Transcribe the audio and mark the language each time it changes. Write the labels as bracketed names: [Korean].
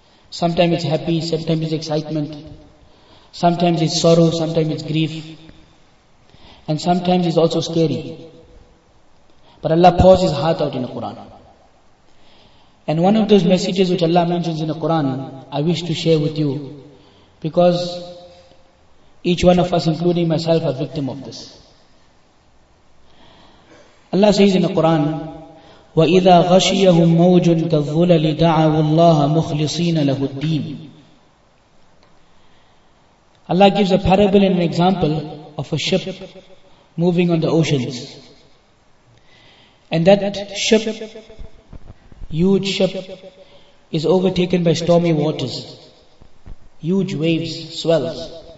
[English] Sometimes it's happy, sometimes it's excitement, sometimes it's sorrow, sometimes it's grief, and sometimes it's also scary. But Allah pours his heart out in the Quran. And one of those messages which Allah mentions in the Quran, I wish to share with you, because each one of us, including myself, are victim of this. [Arabic] Allah says in the Quran, وَإِذَا غَشِيَهُمْ مَوْجٌ كَالظُّلَلِ دَعَوُ اللَّهَ مُخْلِصِينَ لَهُ الدِّينِ. [English] Allah gives a parable and an example of a ship moving on the oceans. And that ship, huge ship, is overtaken by stormy waters, huge waves, swells.